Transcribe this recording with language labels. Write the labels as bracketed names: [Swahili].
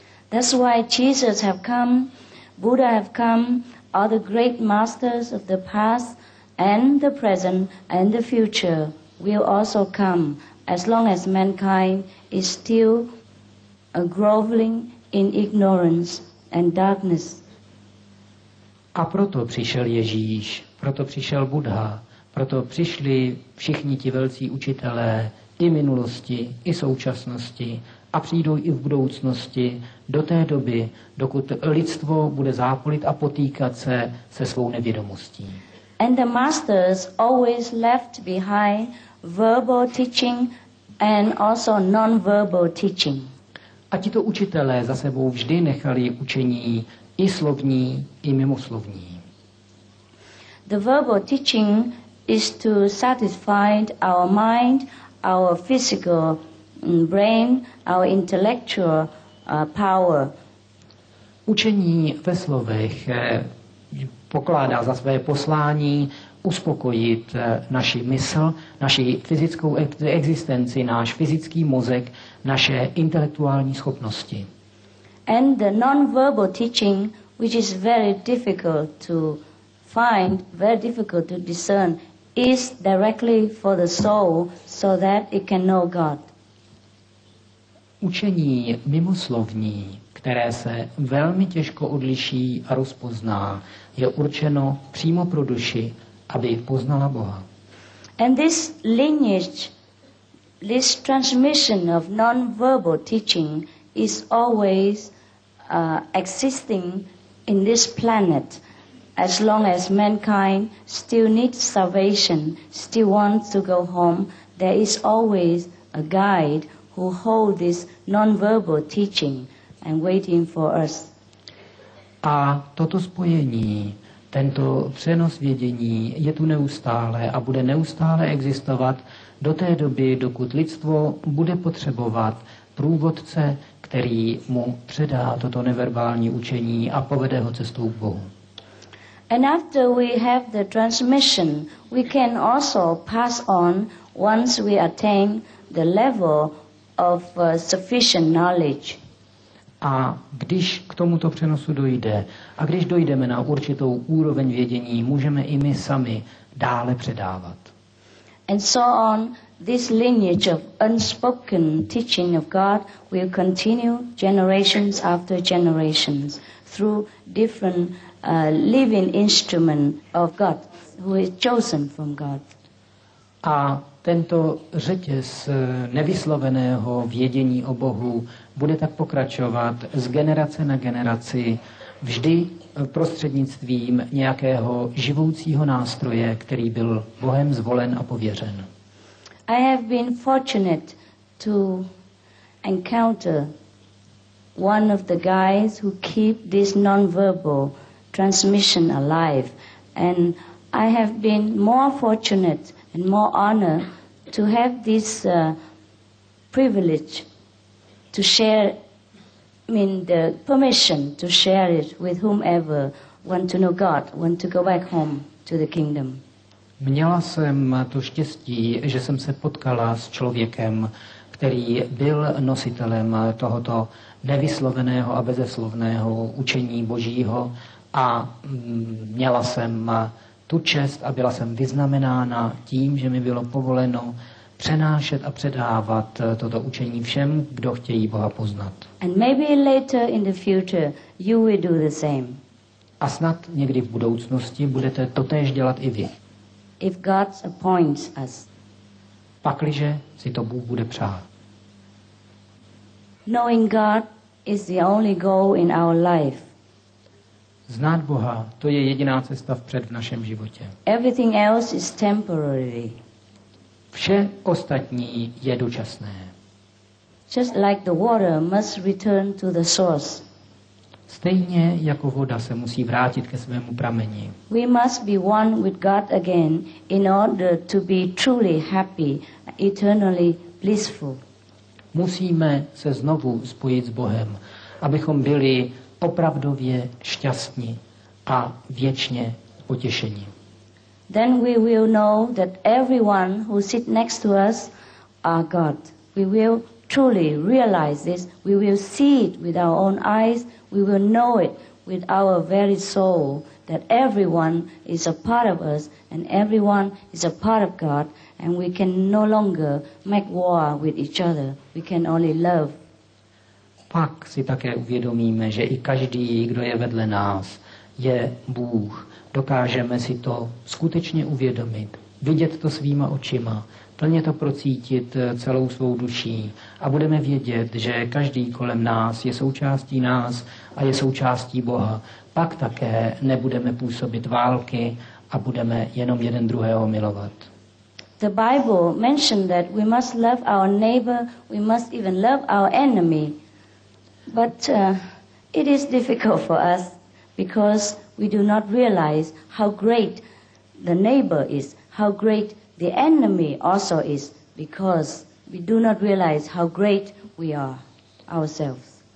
[English] That's why Jesus have come, Buddha have come, all the great masters of the past and the present and the future will also come as long as mankind is still groveling in ignorance and darkness. [Czech] A proto přišel Ježíš, proto přišel Buddha, proto přišli všichni ti velcí učitelé i minulosti, i současnosti a přijdou i v budoucnosti do té doby, dokud lidstvo bude zápolit a potýkat se svou nevědomostí. [English] And the masters always left behind verbal teaching and also non-verbal teaching. [Czech] A tito učitelé za sebou vždy nechali učení i slovní, i mimoslovní. [English] The verbal teaching is to satisfy our mind, our physical brain, our intellectual power. [Czech] Učení ve slovech pokládá za své poslání uspokojit naši mysl, naši fyzickou existenci, náš fyzický mozek, naše intelektuální schopnosti. [English] And the non-verbal teaching, which is very difficult to find, very difficult to discern, is directly for the soul so that it can know God. [Czech] Učení mimoslovní, které se velmi těžko odliší a rozpozná, je určeno přímo pro duši, aby poznala Boha. [English] And this lineage this transmission of non-verbal teaching is always existing in this planet. As long as mankind still needs salvation, still wants to go home, there is always a guide who holds this non-verbal teaching and waiting for us. [Czech] A toto spojení, tento přenos vědění je tu neustále a bude neustále existovat do té doby, dokud lidstvo bude potřebovat průvodce, který mu předá toto neverbální učení a povede ho cestou k Bohu. [English] And after we have the transmission, we can also pass on once we attain the level of sufficient knowledge. [Czech] A když k tomuto přenosu dojde, a když dojdeme na určitou úroveň vědění, můžeme i my sami dále předávat. [English] And so on, this lineage of unspoken teaching of God will continue generations after generations through different living instrument of God who is chosen from God. [Czech] A tento řetěz nevysloveného vědění o Bohu bude tak pokračovat z generace na generaci, vždy prostřednictvím nějakého živoucího nástroje, který byl Bohem zvolen a pověřen. [English] I have been fortunate to encounter one of the guys who keep this non-verbal transmission alive, and I have been more fortunate and more honored to have this privilege to share, the permission to share it with whomever want to know God, want to go back home to the kingdom. [Czech] Měla jsem to štěstí, že jsem se potkala s člověkem, který byl nositelem tohoto nevysloveného a bezeslovného učení Božího, a měla jsem tu čest a byla jsem vyznamenána tím, že mi bylo povoleno přenášet a předávat toto učení všem, kdo chtějí Boha poznat. [English] And maybe later in the future you will do the same. [Czech] A snad někdy v budoucnosti budete totéž dělat i vy. [English] If God appoints us. [Czech] Pakliže si to Bůh bude přát. [English] Knowing God is the only goal in our life. [Czech] Znát Boha, to je jediná cesta vpřed v našem životě. [English] Everything else is temporary. [Czech] Vše ostatní je dočasné. [English] Just like the water must return to the source. [Czech] Stejně jako voda se musí vrátit ke svému prameni. [English] We must be one with God again in order to be truly happy, eternally blissful. [Czech] Musíme se znovu spojit s Bohem, abychom byli opravdově šťastní a věčně potěšení. [English] Then we will know that everyone who sit next to us are God. We will truly realize this. We will see it with our own eyes. We will know it with our very soul that everyone is a part of us and everyone is a part of God, and we can no longer make war with each other. We can only love. [Czech] Pak si také uvědomíme, že i každý, kdo je vedle nás, je Bůh. Dokážeme si to skutečně uvědomit, vidět to svýma očima, plně to procítit celou svou duší a budeme vědět, že každý kolem nás je součástí nás a je součástí Boha. Pak také nebudeme působit války a budeme jenom jeden druhého milovat. [English] The Bible mentioned that we must love our neighbor, we must even love our enemy. But it is difficult for us because we do not realize how great the neighbor is, how great the enemy also is, because we do not realize how great we are ourselves.